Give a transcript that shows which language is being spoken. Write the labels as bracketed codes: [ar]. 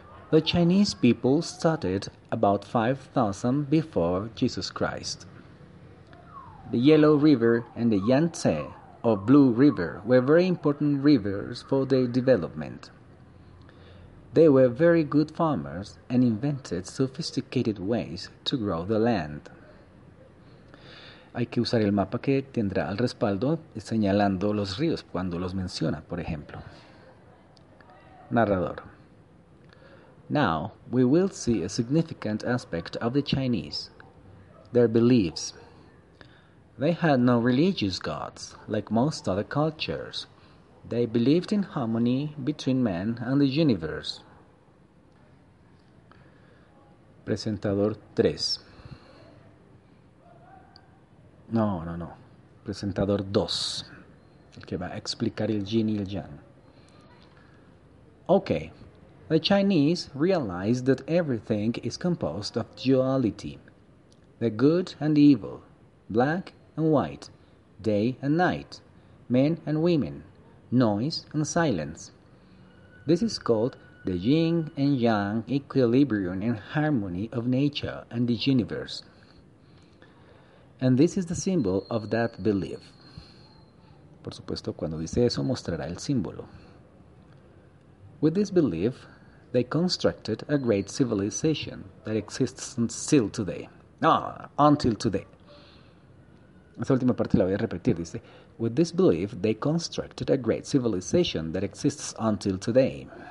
[en] The Chinese people started about 5000 before Jesus Christ. The Yellow River and the Yangtze or Blue River were very important rivers for their development. They were very good farmers and invented sophisticated ways to grow the land. [es] Hay que usar el mapa que tendrá al respaldo señalando los ríos cuando los menciona, por ejemplo. Narrador. [en] Now we will see a significant aspect of the Chinese, their beliefs. They had no religious gods, like most other cultures. They believed in harmony between man and the universe. [es] Presentador 3. No. Presentador 2. El que va a explicar el yin y el yang. Okay. [en] The Chinese realized that everything is composed of duality. The good and evil, black and white, day and night, men and women, noise and silence. This is called the yin and yang equilibrium and harmony of nature and the universe. And this is the symbol of that belief. [es] Por supuesto, cuando dice eso, mostrará el símbolo. [en] With this belief, they constructed a great civilization that exists still today. Until today. [es] Esa última parte la voy a repetir, dice, [en] with this belief, they constructed a great civilization that exists until today.